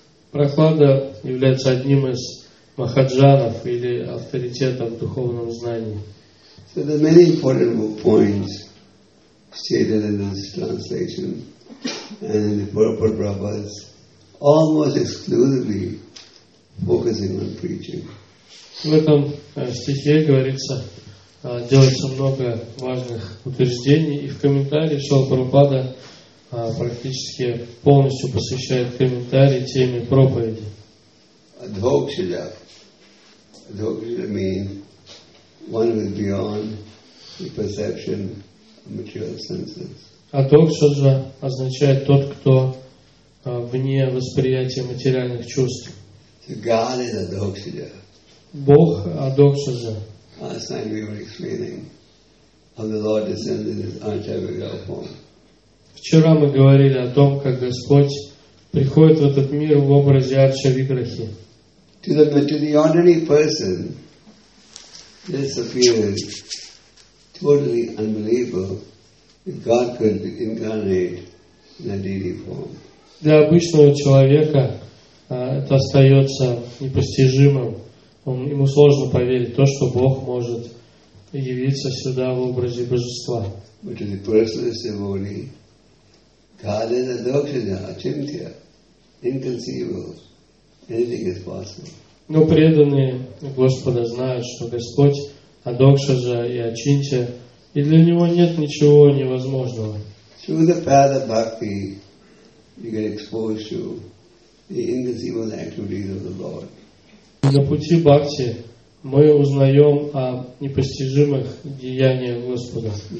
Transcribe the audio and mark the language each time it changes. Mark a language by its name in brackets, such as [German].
[Russian] Прахлада является одним из махаджанов или авторитетов в духовном знании. [English] So there are many important points stated in this translation and in the Purport Prabhupada's almost exclusively focusing on preaching. [Russian] В этом стихе говорится, делается много важных утверждений, и в комментарии Шрила Прабхупада практически полностью посвящает комментарии теме проповеди. [English] Адхокшида. Адхокшида means one who is beyond the perception of material senses. [Russian] Адхокшида означает тот, кто вне восприятия материальных чувств. [English] So God is Адхокшида. [Russian] Бог Адхокшида. [English] Last time we were explaining how the Lord descended in Anchavigal form. [Russian] Вчера мы говорили о том, как Господь приходит в этот мир в образе Арчавиграхи. [English] To the ordinary person, this appears totally unbelievable that God could incarnate in a deity form. [Russian] Для обычного человека это остается непостижимым. Ему сложно поверить то, что Бог может явиться сюда в образе Божества. [English] But to the person is devotee, God is Adhokshada, Achintya, inconceivable. Anything is possible. [Russian] Но преданные Господа знают, что Господь Адхокшада и Ачинтья, и для него нет ничего невозможного. [English] Through the path of bhakti, you get exposed to the inconceivable activities of the Lord. [Russian] На пути бхакти мы узнаем о непостижимых деяниях Господа.